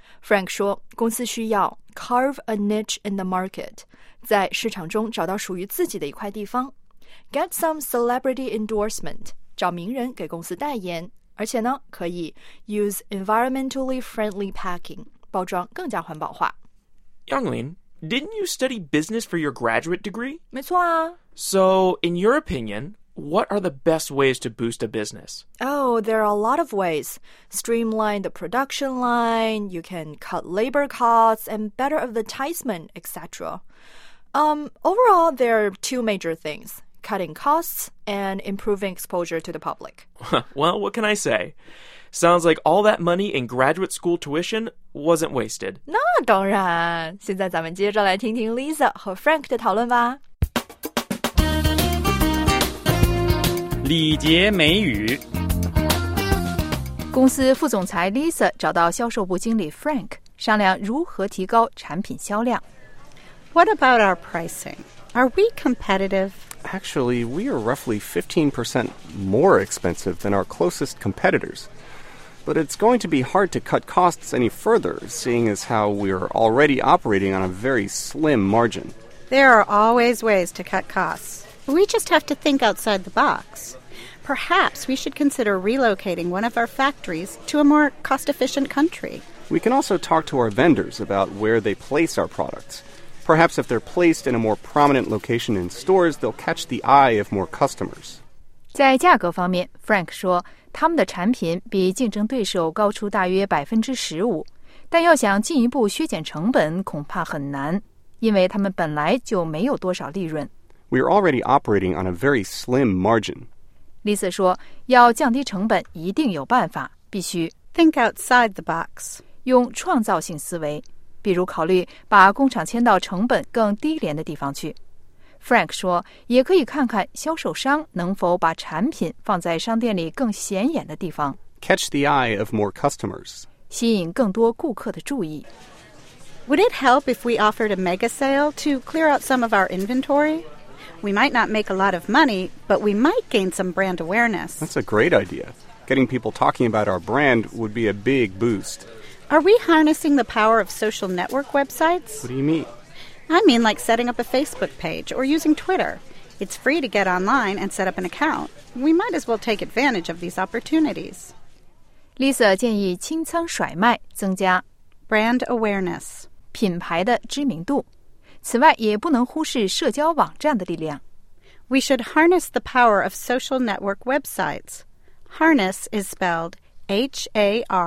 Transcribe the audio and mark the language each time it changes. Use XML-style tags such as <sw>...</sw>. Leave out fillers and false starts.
<zh>Frank 说，公司需要</zh> <en>carve a niche in the market，</en> <zh>在市场中找到属于自己的一块地方 ，</zh> <en>get some celebrity endorsement，</en> <zh>找名人给公司代言，而且呢，可以</zh> <en>use environmentally friendly packing，</en> <zh>包装更加环保化。</zh> <en>Younglin， didn't you study business for your graduate degree？</en> <zh>没错啊。</zh> <en>So in your opinion。 What are the best ways to boost a business? Oh, there are a lot of ways. Streamline the production line, you can cut labor costs, and better advertisement, etc. Overall, there are two major things, cutting costs and improving exposure to the public. Well, what can I say? Sounds like all that money in graduate school tuition wasn't wasted.</en> <zh>那当然，现在咱们接着来听听 Lisa 和 Frank 的讨论吧。礼节美语。公司副总裁 Lisa 找到销售部经理 Frank， 商量如何提高产品销量。</zh> <en>What about our pricing? Are we competitive? Actually, we are roughly 15% more expensive than our closest competitors. But it's going to be hard to cut costs any further, seeing as how we are already operating on a very slim margin. There are always ways to cut costs. We just have to think outside the box. Perhaps we should consider relocating one of our factories to a more cost-efficient country. We can also talk to our vendors about where they place our products. Perhaps if they're placed in a more prominent location in stores, they'll catch the eye of more customers.</en> <zh>在价格方面 ,Frank 说他们的产品比竞争对手高出大约 15%, 但要想进一步削减成本恐怕很难,因为他们本来就没有多少利润。</zh> <en>We are already operating on a very slim margin.</en> <zh>Lisa 说要降低成本一定有办法，必须</zh> <en>think outside the box.</en> <zh>用创造性思维，比如考虑把工厂迁到成本更低廉的地方去。 Frank 说也可以看看销售商能否把产品放在商店里更显眼的地方。</zh> <en>Catch the eye of more customers.</en> <zh>吸引更多顾客的注意。</zh> <en>Would it help if we offered a mega sale to clear out some of our inventory? We might not make a lot of money, but we might gain some brand awareness. That's a great idea. Getting people talking about our brand would be a big boost. Are we harnessing the power of social network websites? What do you mean? I mean like setting up a Facebook page or using Twitter. It's free to get online and set up an account. We might as well take advantage of these opportunities.</en> <zh>Lisa 建议清仓甩卖，增加</zh> <en>brand awareness</en> <zh>品牌的知名度。此外，也不能忽视社交网站的力量。</zh> <en>We should harness the power of social network websites. Harness is spelled H-A-R-N-E-S-S.</en>